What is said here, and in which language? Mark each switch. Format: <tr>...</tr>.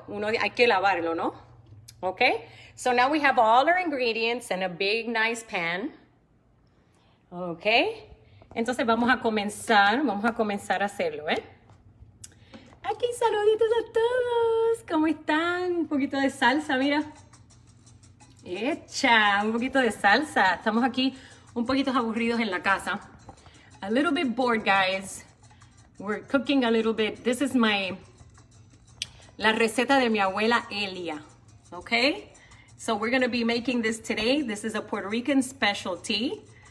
<es>Uno, hay que lavarlo, ¿no?</es> <en>Okay? So now we have all our ingredients in a big, nice pan. Okay?</en> <es>Entonces vamos a comenzar a hacerlo, ¿eh? Aquí, saluditos a todos. ¿Cómo están? Un poquito de salsa, mira. Echa un poquito de salsa. Estamos aquí un poquito aburridos en la casa.</es> <en>A little bit bored, guys. We're cooking a little bit. This is</en> <es>la receta de mi abuela Elia.</es> <en>Okay? So we're gonna be making this today. This is a Puerto Rican specialty.</en>